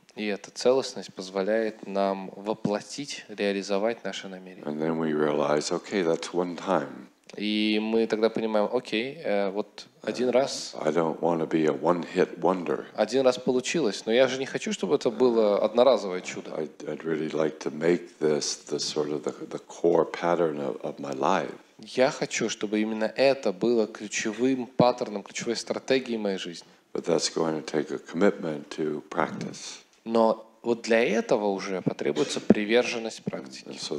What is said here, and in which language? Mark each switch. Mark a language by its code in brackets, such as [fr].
[ru] И эта целостность позволяет нам воплотить, реализовать наше намерение. [en] And then we realize, okay, that's one time. [ru] И мы тогда понимаем, окей, вот один раз. [en] I don't want to be a one-hit wonder. [ru] Один раз получилось, но я же не хочу, чтобы это было одноразовое чудо. [en] I'd really like to make this the sort of the core pattern of my life. [ru] Я хочу, чтобы именно это было ключевым паттерном, ключевой стратегией моей жизни. [en] But that's going to take a commitment to practice. [ru] Но вот для этого уже потребуется приверженность практике.